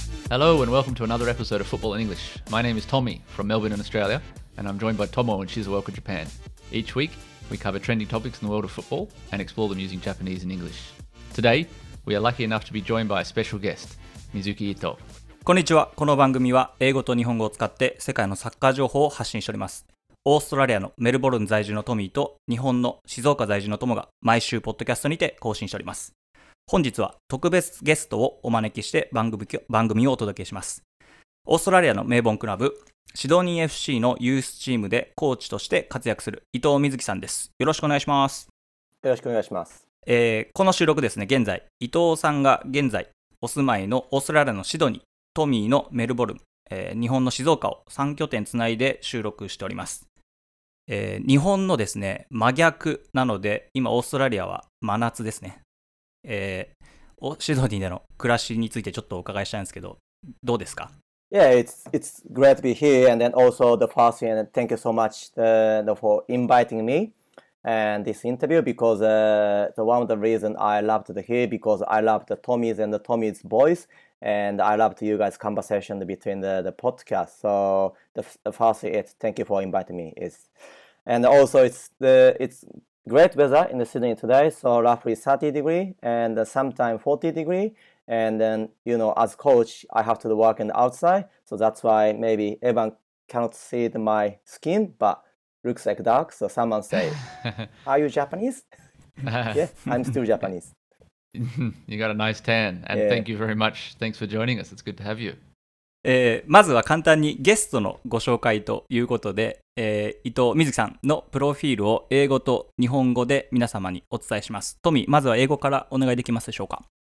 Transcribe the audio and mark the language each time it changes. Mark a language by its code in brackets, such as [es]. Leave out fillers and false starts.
[en] Hello and welcome to another episode of Football in English. My name is Tommy from Melbourne in Australia, and I'm joined by Tomo and Shizuoka Japan. Each week, we cover trending topics in the world of football and explore them using Japanese and English. Today, we are lucky enough to be joined by a special guest, Mizuki Ito. [ja] こんにちは。この番組は英語と日本語を使って世界のサッカー情報を発信しております。オーストラリアのメルボルン在住のトミーと日本の静岡在住のトモが毎週ポッドキャストにて更新しております。本日は特別ゲストをお招きして番組をお届けします。オーストラリアの名門クラブシドニー FC のユースチームでコーチとして活躍する伊藤瑞希さんです。よろしくお願いします。よろしくお願いします。この収録ですね、現在伊藤さんが現在お住まいのオーストラリアのシドニー、トミーのメルボルン、日本の静岡を3拠点つないで収録しております。日本のですね真逆なので、今オーストラリアは真夏ですね。シドニーでの暮らしについてちょっとお伺いしたいんですけど、どうですか？ [en] Yeah, it's great to be here, and then also the first thing, thank you so much for inviting me and this interview, because the one of the reason I loved to hear, because I loved the Tommy's and the Tommy's voice,And I loved you guys' conversation between the podcast. So the first is thank you for inviting me. It's great weather in the Sydney today. So roughly 30 degrees and sometime 40 degrees. And then, you know, as coach, I have to work in the outside. So that's why maybe everyone cannot see my skin, but looks like dark. So someone say, are you Japanese? Yeah, I'm still Japanese. You got a nice tan, and thank you very much. Thanks for joining us. It's good to have you. [ja] まずは簡単にゲストのご紹介ということで、伊藤瑞希さんのプロフィールを英語と日本語で皆様にお伝えします。トミー、まずは英語からお願いできますでしょうか。